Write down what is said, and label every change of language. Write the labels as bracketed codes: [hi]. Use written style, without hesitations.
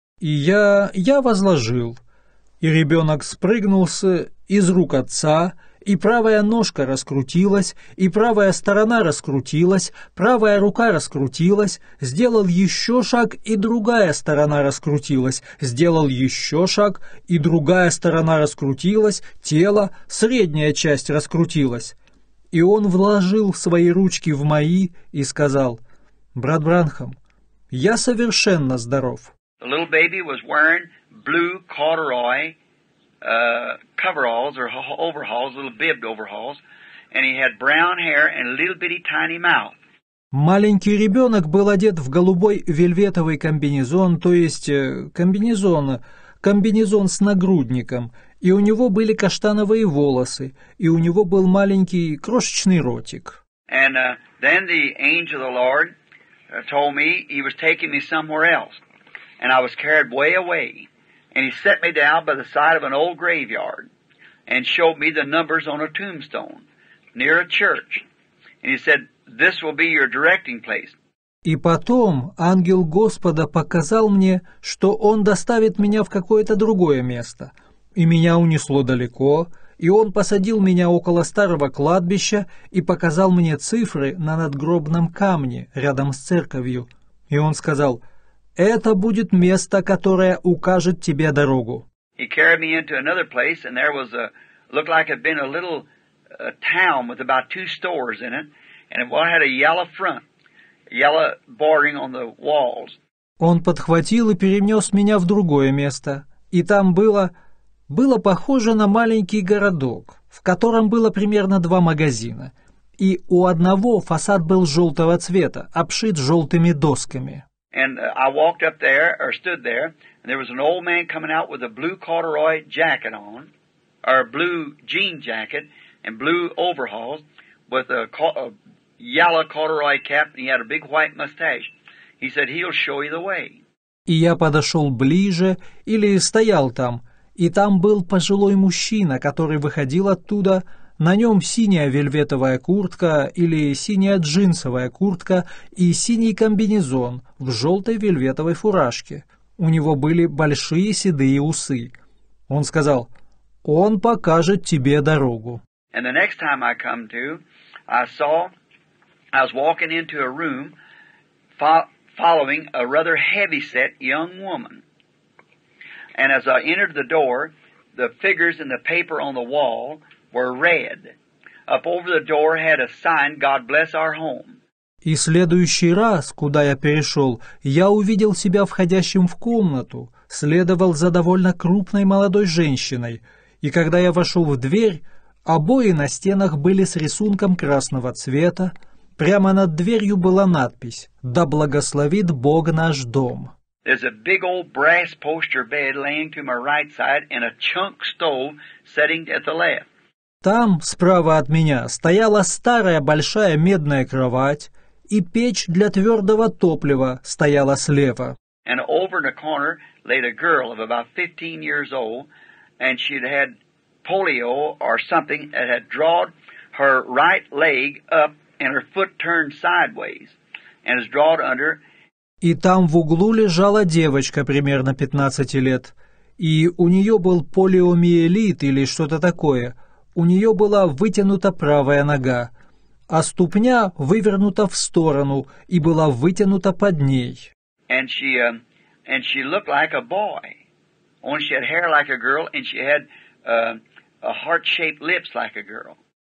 [ru] И я возложил, и ребенок спрыгнулся из рук отца, и правая ножка раскрутилась, и правая сторона раскрутилась, правая рука раскрутилась, сделал еще шаг, и другая сторона раскрутилась, сделал еще шаг, и другая сторона раскрутилась, тело, средняя часть раскрутилась. И он вложил свои ручки в мои и сказал, «Брат Бранхам, я совершенно здоров». [en] The little baby was wearing blue corduroy coveralls or overalls, little bibbed overalls, and he had brown hair and a little bitty tiny mouth. [ru] Маленький ребенок был одет в голубой вельветовый комбинезон, то есть комбинезон с нагрудником, и у него были каштановые волосы, и у него был маленький крошечный ротик. [en] And then the angel of the Lord told me he was taking me somewhere else. And I was carried way away, and he set me down by the side of an old graveyard, and showed me the numbers on a tombstone near a church, and he said, "This will be your directing place." [ru] И потом ангел Господа показал мне, что он доставит меня в какое-то другое место, и меня унесло далеко, и он посадил меня около старого кладбища и показал мне цифры на надгробном камне рядом с церковью, и он сказал. Это будет место, которое укажет тебе дорогу. [en] He carried me into another place, and there was a looked like it'd been a little town with about two stores in it, and it had a yellow front, yellow bordering on the walls. [ru] Он подхватил и перенес меня в другое место, и там было похоже на маленький городок, в котором было примерно два магазина, и у одного фасад был желтого цвета, обшит желтыми досками. [en] And I walked up there, or stood there, and there was an old man coming out with a blue corduroy jacket on, or blue jean jacket, and blue overalls, with a yellow corduroy cap, and he had a big white mustache. He said, he'll show you the way. [ru] И я подошел ближе, или стоял там, и там был пожилой мужчина, который выходил оттуда. На нем синяя вельветовая куртка или синяя джинсовая куртка и синий комбинезон в желтой вельветовой фуражке. У него были большие седые усы. Он сказал, «Он покажет тебе дорогу». [en] And the next time I come to, I was walking into a room following a rather heavy-set young woman. And as I entered the door, the figures in the paper on the wall were red. Up over the door had a sign, God bless our home. [ru] И следующий раз, куда я перешел, я увидел себя входящим в комнату, следовал за довольно крупной молодой женщиной, и когда я вошел в дверь, обои на стенах были с рисунком красного цвета, прямо над дверью была надпись «Да благословит Бог наш дом». [en] There's a big old brass poster bed laying to my right side and a chunk stove sitting at the left. [ru] Там, справа от меня, стояла старая большая медная кровать, и печь для твердого топлива стояла слева. [en] And over in the corner laid a girl of about 15 years old, and she'd had polio or something that had drawn her right leg up and her foot turned sideways, and is drawn under. [ru] И там в углу лежала девочка примерно 15 лет, и у нее был полиомиелит или что-то такое. У нее была вытянута правая нога, а ступня вывернута в сторону и была вытянута под ней. [en] And she looked like a boy. Only she had hair like a girl, and she had a heart-shaped lips like a girl.